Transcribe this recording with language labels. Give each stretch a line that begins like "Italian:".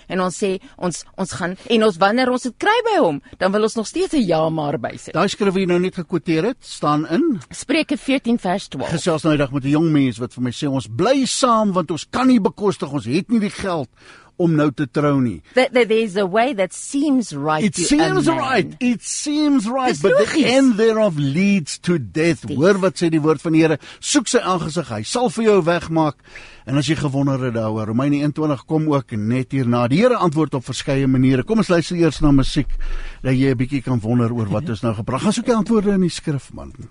Afrikaans: En ons sê ons gaan, en ons wanneer ons dit kry by hom, dan wil ons nog steeds 'n ja maar bysit. Daai skrif wat jy nou net gekwoteer het, staan in Spreuke 14 vers 12. Gesels nou eendag met 'n jong mens wat vir my sê ons bly saam want ons kan nie bekostig, ons het nie die geld om nou te trou nie.
English: There's a way that seems right. It seems right, but logisch. The end thereof leads to death.
Afrikaans: Hoor wat sê die woord van die Here, soek sy aangesig, hy sal vir jou wegmaak. En as jy gewonder het daaroor, Romeine 21 kom ook net hierna. Die Here antwoord op verskeie maniere. Kom ons luister eers na musiek dat jy 'n bietjie kan wonder oor wat ons nou gepraat. Gaan soek die antwoorde in die skrif, man.